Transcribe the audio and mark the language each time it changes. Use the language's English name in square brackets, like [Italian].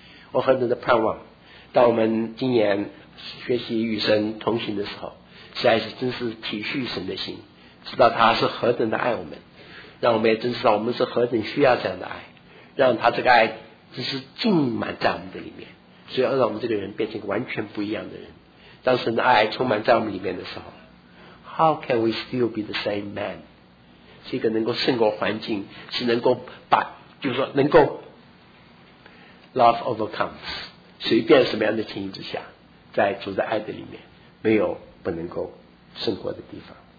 [Chinese] 我很多的盼望，当我们今年学习与神同行的时候，实在是真是体恤神的心，知道他是何等的爱我们，让我们也真知道我们是何等需要这样的爱，让他这个爱只是浸满在我们的里面，所以要让我们这个人变成一个完全不一样的人。当神的爱充满在我们里面的时候， [English] How can we still be the same man? [Chinese] 是一个能够胜过环境，是能够把，就是说能够 [English] Love overcomes， [Chinese] 随便什么样的情形之下，在主的爱的里面没有不能够胜过的地方。